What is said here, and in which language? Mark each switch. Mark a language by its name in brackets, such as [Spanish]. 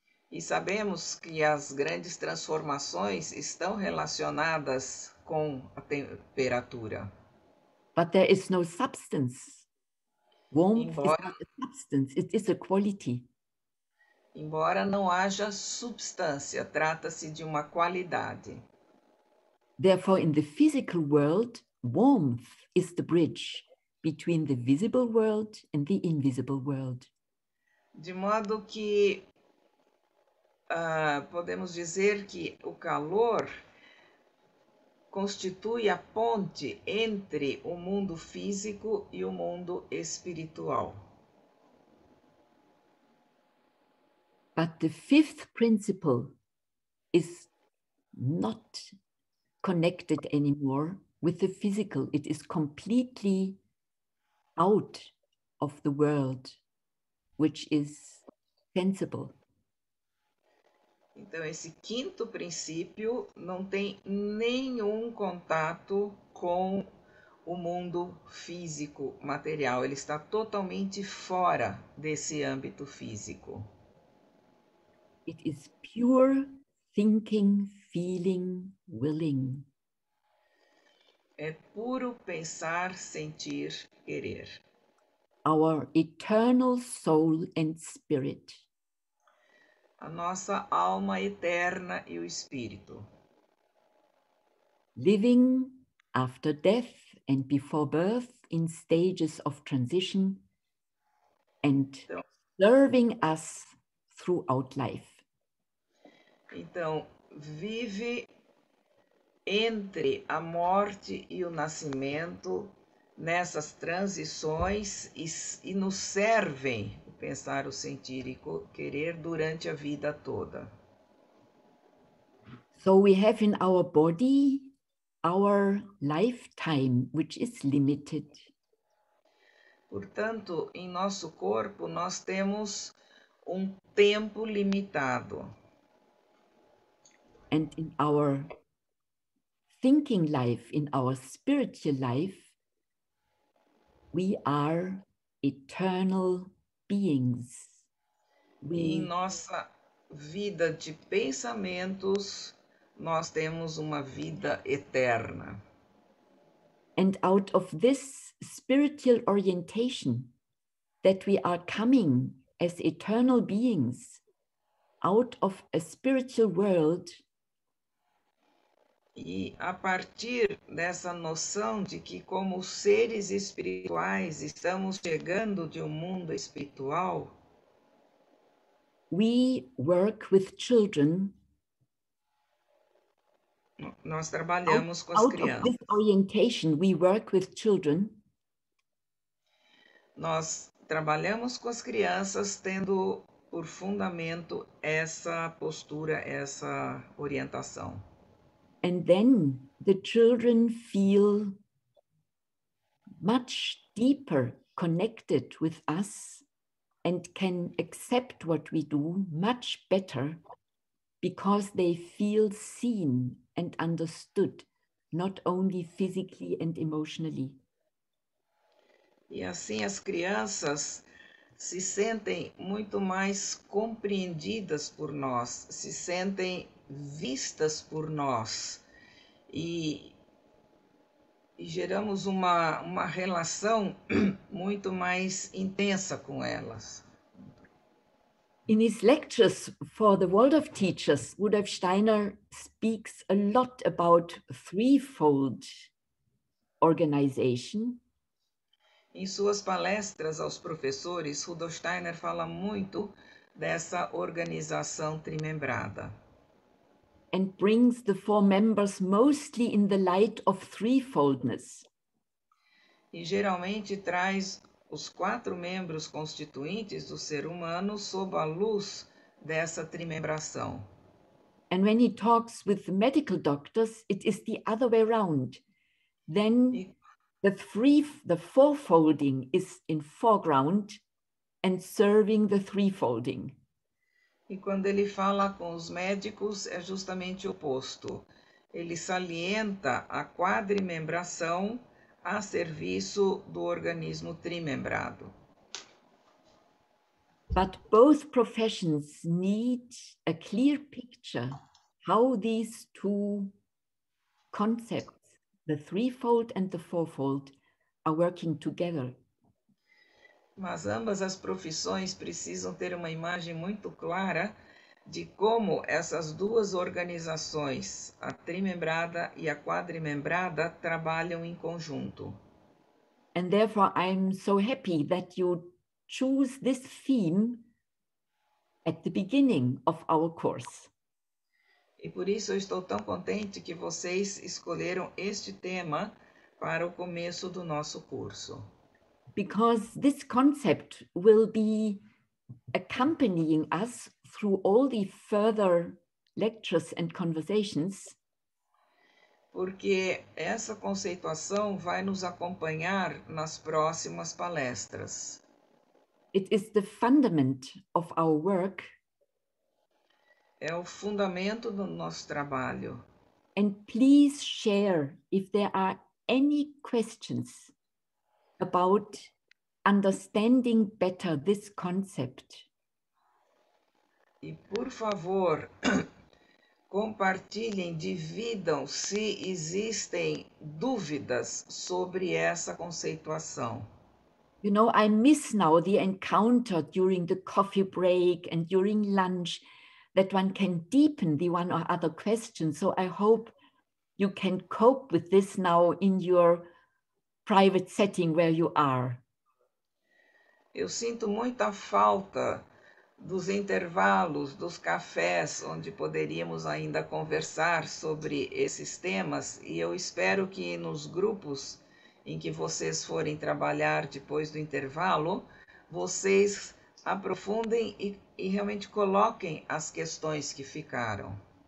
[Portuguese] E sabemos que as grandes transformações estão relacionadas com a temperatura. [English] But there is no substance. Warmth is not a substance, it is a quality. [Portuguese] Embora não haja substância, trata-se de uma qualidade. [English] Therefore, in the physical world, warmth is the bridge between the visible world and the invisible world. [Portuguese] De modo que podemos dizer que o calor constitui a ponte entre o mundo físico e o mundo espiritual. [English] But the fifth principle is not connected anymore with the physical. It is completely out of the world, which is sensible. [Portuguese] Então, esse quinto princípio não tem nenhum contato com o mundo físico, material. Ele está totalmente fora desse âmbito físico. [English] It is pure thinking, feeling, willing. [Portuguese] É puro pensar, sentir, querer. [English] Our eternal soul and spirit. [Portuguese] A nossa alma eterna e o espírito. [English] Living after death and before birth in stages of transition and serving us throughout life. [Portuguese] Então, vive entre a morte e o nascimento nessas transições e nos servem o pensar, o sentir e o querer durante a vida toda. [English] So we have in our body our lifetime, which is limited. [Portuguese] Portanto, em nosso corpo, nós temos um tempo limitado. [English] And in our thinking life, in our spiritual life, we are eternal beings. We... [Portuguese] Em nossa vida de pensamentos, nós temos uma vida eterna. [English] And out of this spiritual orientation, that we are coming as eternal beings, out of a spiritual world. [Portuguese] E a partir dessa noção de que como seres espirituais estamos chegando de um mundo espiritual, [English] we work with children. [Portuguese] Nós trabalhamos [English] out, [Portuguese] com as [English] out [Portuguese] crianças. [English] Of this orientation, we work with children. [Portuguese] Nós trabalhamos com as crianças tendo por fundamento essa postura, essa orientação. [English] And then the children feel much deeper connected with us and can accept what we do much better because they feel seen and understood, not only physically and emotionally. [Portuguese] E assim as crianças se sentem muito mais compreendidas por nós, se sentem vistas por nós e geramos uma relação muito mais intensa com elas. [English] In his lectures for the World of Teachers, Rudolf Steiner speaks a lot about threefold organization. [Portuguese] Em suas palestras aos professores, Rudolf Steiner fala muito dessa organização trimembrada. [English] And brings the four members mostly in the light of threefoldness. [Portuguese] E geralmente traz os quatro membros constituintes do ser humano sob a luz dessa trimembração. [English] And when he talks with the medical doctors, it is the other way around. Then the fourfolding is in foreground and serving the threefolding. [Portuguese] E quando ele fala com os médicos, é justamente o oposto. Ele salienta a quadrimembração a serviço do organismo trimembrado. [English] But both professions need a clear picture how these two concepts, the threefold and the fourfold, are working together. [Portuguese] Mas ambas as profissões precisam ter uma imagem muito clara de como essas duas organizações, a trimembrada e a quadrimembrada, trabalham em conjunto. [English] And therefore I'm so happy that you choose this theme at the beginning of our course. [Portuguese] E por isso eu estou tão contente que vocês escolheram este tema para o começo do nosso curso. [English] Because this concept will be accompanying us through all the further lectures and conversations. [Portuguese] porque essa conceituação vai nos acompanhar nas próximas palestras. [English] It is the fundament of our work. [Portuguese] É o fundamento do nosso trabalho. [English] And please share if there are any questions about understanding better this concept. [Portuguese] E, por favor, compartilhem, dividam se existem dúvidas sobre essa conceituação. [English] You know, I miss now the encounter during the coffee break and during lunch that one can deepen the one or other question. So I hope you can cope with this now in your private setting where you are. [Portuguese] Eu sinto muita falta dos intervalos, dos cafés, onde poderíamos ainda conversar sobre esses temas, e eu espero que nos grupos em que vocês forem trabalhar depois do intervalo, vocês aprofundem e realmente coloquem as questões que ficaram.